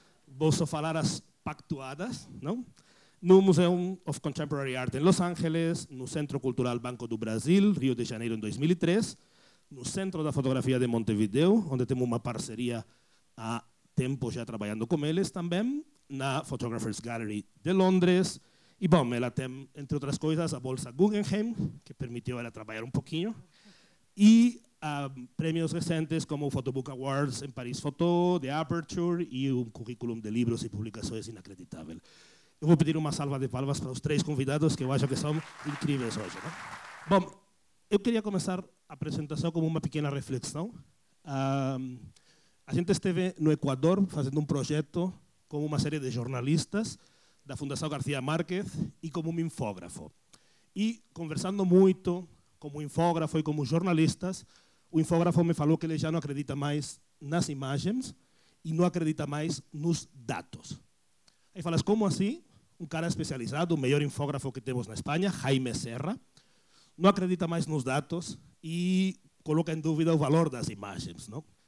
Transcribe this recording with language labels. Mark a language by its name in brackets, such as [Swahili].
[Portuguese] Vou só falar as pactuadas, não? No Museum of Contemporary Art em Los Angeles, no Centro Cultural Banco do Brasil, Rio de Janeiro, em 2003, no Centro da Fotografia de Montevideo, onde temos uma parceria há tempo já trabalhando com eles também, na Photographers Gallery de Londres. E, bom, ela tem, entre outras coisas, a Bolsa Guggenheim, que permitiu ela trabalhar um pouquinho. [Spanish] E premios recentes como Photobook Awards en París Photo, The Aperture y un currículum de libros y publicaciones inacreditable. Voy a pedir una salva de palmas para los tres convidados que yo creo que son increíbles hoy. ¿No? Bom, yo quería comenzar la presentación con una pequeña reflexión. [Portuguese] A gente esteve no Ecuador [Spanish] haciendo un proyecto con una serie de jornalistas de la Fundación García Márquez y como un infógrafo. Y conversando mucho como infógrafo y como jornalistas, [Portuguese] o infógrafo me falou que ele já não acredita mais nas imagens e não acredita mais nos dados. Aí falas, como assim? Um cara especializado, o melhor infógrafo que temos na Espanha, Jaime Serra, não acredita mais nos dados e coloca em dúvida o valor das imagens. Não?